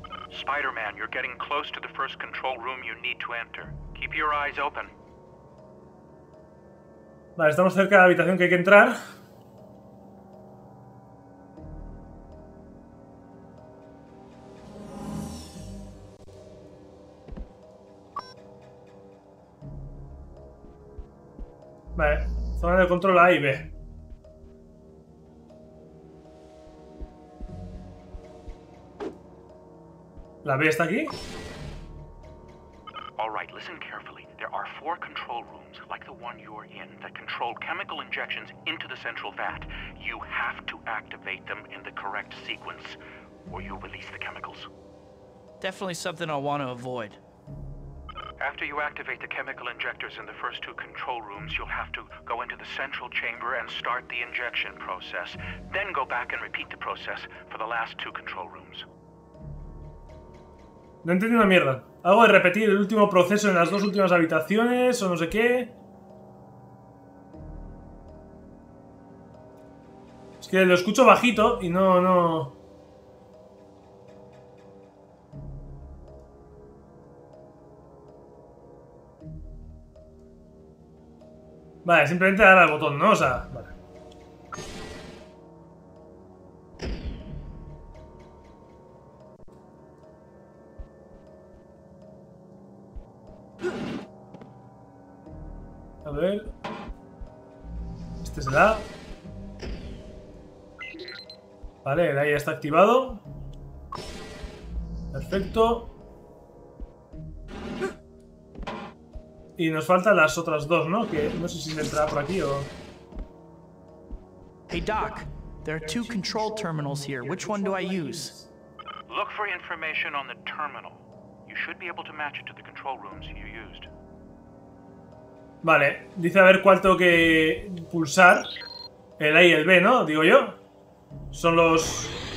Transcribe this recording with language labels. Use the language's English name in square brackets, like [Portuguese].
[English] Spider-Man, you're getting close to the first control room you need to enter. Keep your eyes open. [Spanish] Vale, estamos cerca de la habitación que hay que entrar. Zona de control A y B. La B está aquí. [English] All right, listen carefully. There are four control rooms, like the one you're in, that control chemical injections into the central vat. You have to activate them in the correct sequence, or you release the chemicals. Definitely something I want to avoid. After you activate the chemical injectors in the first two control rooms, you'll have to go into the central chamber and start the injection process. Then go back and repeat the process for the last two control rooms. [Spanish] No entiendo una mierda. Algo de repetir el último proceso en las dos últimas habitaciones o no sé qué. Es que lo escucho bajito y no. Vale, simplemente dar al botón, ¿no? O sea, vale. A ver. Este es el A. Vale, el A ya está activado. Perfecto. Y nos faltan las otras dos, ¿no? Que no sé si entrará por aquí o. [English] Hey Doc, there are two control terminals here. Which one do I use? Look for information on the terminal. You should be able to match it to the control rooms you used. [Spanish] Vale, dice a ver cuál tengo que pulsar. El A y el B, ¿no? Digo yo. Son los.